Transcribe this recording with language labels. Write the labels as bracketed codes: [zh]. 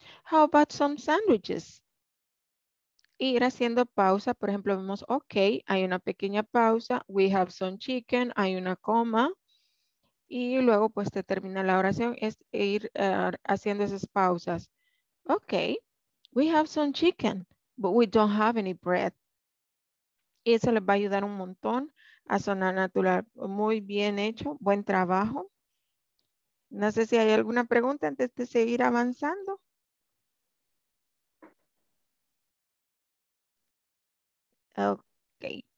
[en] How about some sandwiches? [es] Y ir haciendo pausa, por ejemplo, vemos, ok, hay una pequeña pausa. [en] We have some chicken, [es] hay una coma. Y luego pues te termina la oración, es ir haciendo esas pausas. [en] Ok. We have some chicken, but we don't have any bread. [es] Y eso les va a ayudar un montón a sonar natural. Muy bien hecho, buen trabajo. No sé si hay alguna pregunta antes de seguir avanzando. [en] Ok.